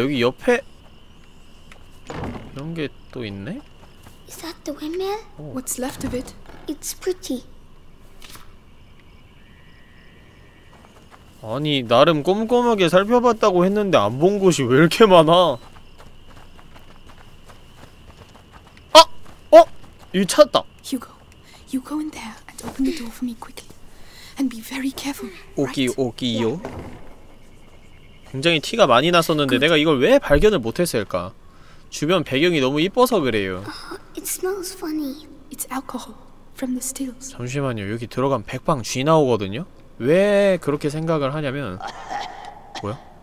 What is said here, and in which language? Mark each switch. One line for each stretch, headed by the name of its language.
Korean: 여기 옆에 이런 게 또 있네?
English: Is that the windmill? What's left of it? It's pretty.
Korean: 아니, 나름 꼼꼼하게 살펴봤다고 했는데 안 본 곳이 왜 이렇게 많아? 아! 어? 이거 찾았다.
English: Hugo, you go in there and open the door for me quickly. And be very careful.
Korean: 오기, 오기요. 굉장히 티가 많이 났었는데 내가 이걸 왜 발견을 못 했을까? 주변 배경이 너무 이뻐서 그래요.
English: It smells funny. It's alcohol from the stills.
Korean: 잠시만요. 여기 들어간 백방 쥐 나오거든요. 왜 그렇게 생각을 하냐면 뭐야?